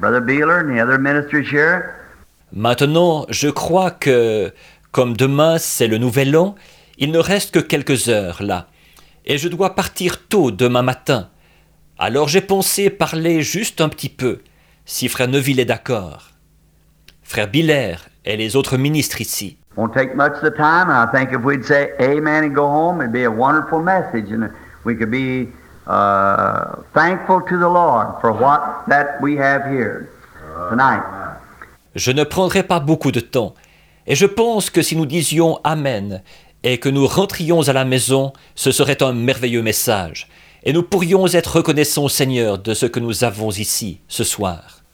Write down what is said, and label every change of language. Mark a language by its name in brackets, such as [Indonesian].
[English] Brother Beeler and the other ministers here. [French] Maintenant, je crois que, comme demain c'est le Nouvel An, il ne reste que quelques heures là, et je dois partir tôt demain matin. Alors j'ai pensé parler juste un petit peu, si Frère Neville est d'accord. Frère Beeler et les autres ministres ici. [English] Won't take much of the time, and I think if we'd say amen and go home, it'd be a wonderful message, and we could be thankful to the Lord for what that we have here tonight. [French] Je ne prendrai pas beaucoup de temps, et je pense que si nous disions amen et que nous rentrions à la maison, ce serait un merveilleux message. Et nous pourrions être reconnaissants au Seigneur de ce que nous avons ici, ce soir.